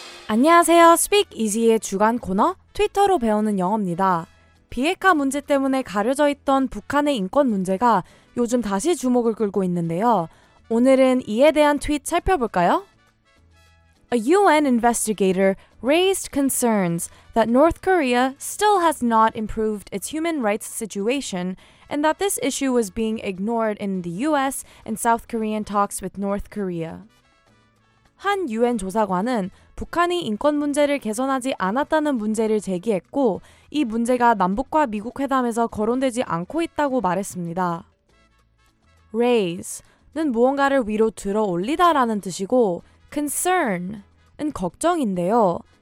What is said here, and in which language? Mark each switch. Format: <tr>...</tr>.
<ko>안녕하세요. Speak Easy의 주간 코너 트위터로 배우는 영어입니다. 비핵화 문제 때문에 가려져 있던 북한의 인권 문제가 요즘 다시 주목을 끌고 있는데요. 오늘은 이에 대한 트윗 살펴볼까요?</ko> <en>A UN investigator raised concerns that North Korea still has not improved its human rights situation and that this issue was being ignored in the US and South Korean talks with North Korea.</en> <ko>한 UN 조사관은 북한이 인권 문제를 개선하지 않았다는 문제를 제기했고 이 문제가 남북과 미국 회담에서 거론되지 않고 있다고 말했습니다. Raise는 무언가를 위로 들어 올리다 라는 뜻이고 concern은 걱정인데요.</ko>